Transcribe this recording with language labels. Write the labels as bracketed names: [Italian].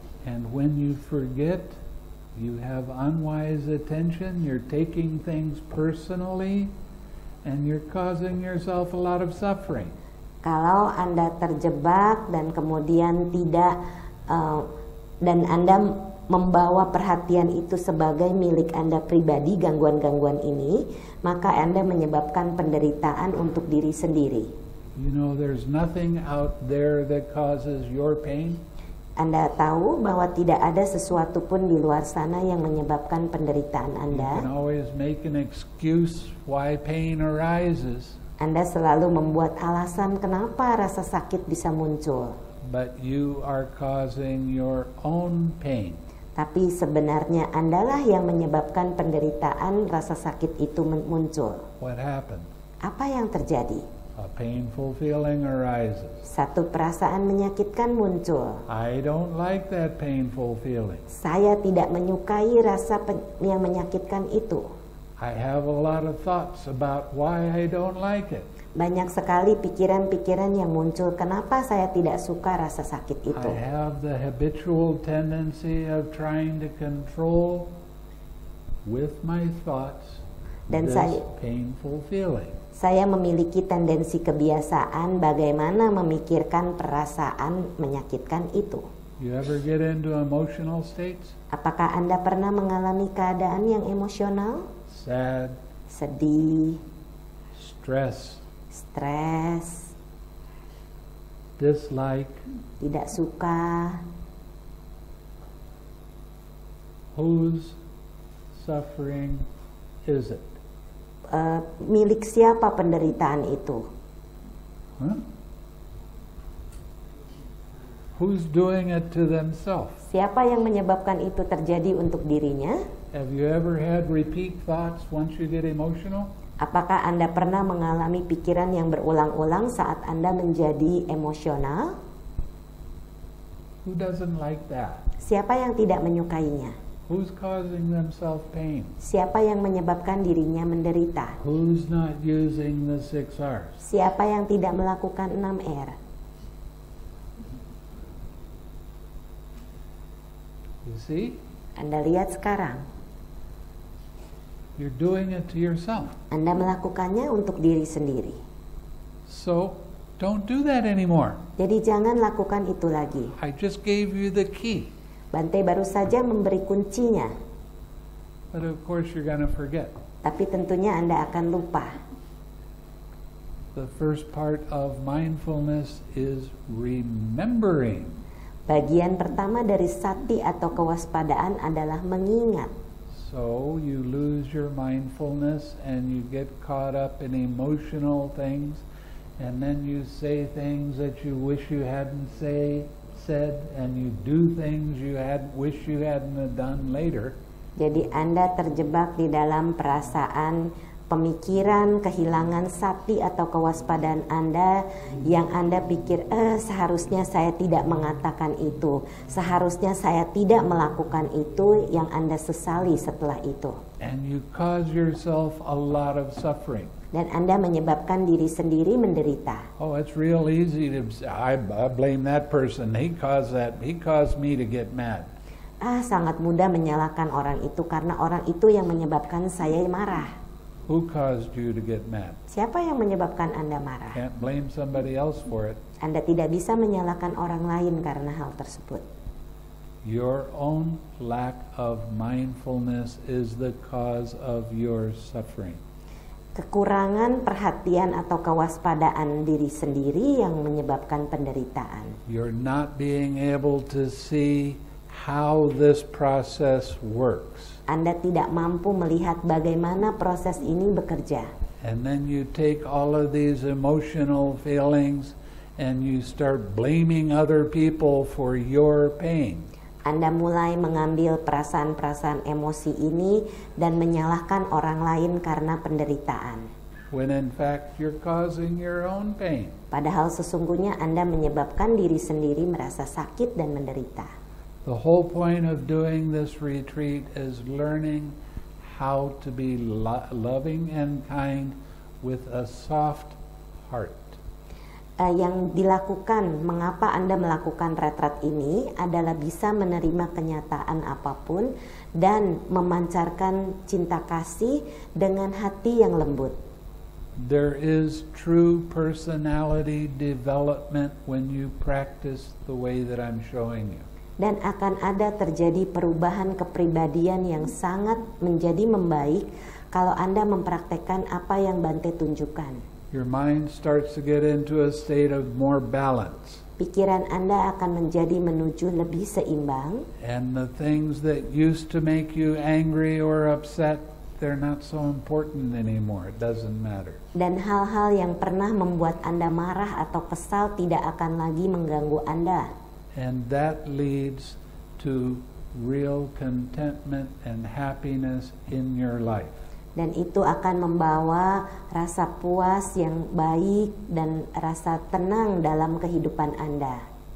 [English] And when you forget, you have unwise attention, you're taking things personally, and you're causing yourself a lot of suffering. [Indonesian] Kalau Anda terjebak dan kemudian tidak, dan Anda membawa perhatian itu sebagai milik Anda pribadi, gangguan-gangguan ini, maka Anda menyebabkan penderitaan untuk diri sendiri. [English] You know, there's nothing out there that causes your pain. [Indonesian] Anda tahu bahwa tidak ada sesuatu pun di luar sana yang menyebabkan penderitaan Anda. [English] You can always make an excuse why pain arises. [Indonesian] Anda selalu membuat alasan kenapa rasa sakit bisa muncul. [English] But you are causing your own pain. [Indonesian] Tapi sebenarnya andalah yang menyebabkan penderitaan rasa sakit itu muncul. [English] What happened? [Indonesian] Apa yang terjadi? [English] A painful feeling arises. [Indonesian] Satu perasaan menyakitkan muncul. [English] I don't like that painful feeling. [Indonesian] Saya tidak menyukai rasa yang menyakitkan itu. [English] I have a lot of thoughts about why I don't like it. [Indonesian] Banyak sekali pikiran-pikiran yang muncul kenapa saya tidak suka rasa sakit itu. [English] I have the habitual tendency of trying to control with my thoughts painful feeling. [Indonesian] Saya memiliki tendensi kebiasaan bagaimana memikirkan perasaan menyakitkan itu. [English] You ever get into emotional states? [Indonesian] Apakah Anda pernah mengalami keadaan yang emosional? [English] Sad. [Indonesian] Sedih. [English] Stress. [Indonesian] Stress. [English] Dislike. [Indonesian] Tidak suka. [English] Whose suffering is it? [Indonesian] Milik siapa penderitaan itu? Huh? [English] Who's doing it to themselves? [Indonesian] Siapa yang menyebabkan itu terjadi untuk dirinya? [English] Have you ever had repeat thoughts once you get emotional? [Indonesian] Apakah Anda pernah mengalami pikiran yang berulang-ulang saat Anda menjadi emosional? [English] Who doesn't like that? [Indonesian] Siapa yang tidak menyukainya? [English] Who's causing themselves pain? [Indonesian] Siapa yang menyebabkan dirinya menderita? [English] Who's not using the 6 R's? [Indonesian] Siapa yang tidak melakukan 6 R? [English] You see? [Indonesian] Anda lihat sekarang. [English] You're doing it to yourself. [Indonesian] Anda melakukannya untuk diri sendiri. [English] So, don't Don't do that anymore. [Indonesian] Jadi jangan lakukan itu lagi. [English] I just gave you the key. [Indonesian] Bante baru saja memberi kuncinya. [English] But of course you're going to forget. [Indonesian] Tapi tentunya Anda akan lupa. [English] The first part of mindfulness is remembering. [Indonesian] Bagian pertama dari sati atau kewaspadaan adalah mengingat. [English] So you lose your mindfulness and you get caught up in emotional things, and then you say things that you wish you hadn't said, and you do things you had wish you hadn't done later. [Indonesian] Jadi Anda terjebak di dalam perasaan, pemikiran, kehilangan sati atau kewaspadaan Anda, yang Anda pikir, seharusnya saya tidak mengatakan itu, seharusnya saya tidak melakukan itu, yang Anda sesali setelah itu. [English] And you cause yourself a lot of suffering. [Indonesian] Dan Anda menyebabkan diri sendiri menderita. [English] Oh, it's real easy to say, I blame that person, he caused me to get mad. [Indonesian] Sangat mudah menyalahkan orang itu karena orang itu yang menyebabkan saya marah. [English] Who caused you to get mad? [Indonesian] Siapa yang menyebabkan Anda marah? [English] Can't blame somebody else for it. [Indonesian] Anda tidak bisa menyalahkan orang lain karena hal tersebut. [English] Your own lack of mindfulness is the cause of your suffering. [Indonesian] Kekurangan perhatian atau kewaspadaan diri sendiri yang menyebabkan penderitaan. [English] You're not being able to see how this process works. [Indonesian] Anda tidak mampu melihat bagaimana proses ini bekerja. [English] And then you take all of these emotional feelings and you start blaming other people for your pain. [Indonesian] Anda mulai mengambil perasaan-perasaan emosi ini dan menyalahkan orang lain karena penderitaan. [English] When in fact you're causing your own pain. [Indonesian] Padahal sesungguhnya Anda menyebabkan diri sendiri merasa sakit dan menderita. [English] The whole point of doing this retreat is learning how to be loving and kind with a soft heart. [Indonesian] Yang dilakukan, mengapa Anda melakukan retreat ini adalah bisa menerima kenyataan apapun dan memancarkan cinta kasih dengan hati yang lembut. [English] There is true personality development when you practice the way that I'm showing you. [Indonesian] Dan akan ada terjadi perubahan kepribadian yang sangat menjadi membaik kalau Anda mempraktekkan apa yang Bante tunjukkan. [English] Your mind starts to get into a state of more balance. [Indonesian] Pikiran Anda akan menjadi menuju lebih seimbang. [English] And the things that used to make you angry or upset, they're not so important anymore. It doesn't matter. [Indonesian] Dan hal-hal yang pernah membuat Anda marah atau kesal tidak akan lagi mengganggu Anda. [English] And that leads to real contentment and happiness in your life. [Indonesian] Dan itu akan membawa rasa puas yang baik dan rasa tenang dalam kehidupan Anda.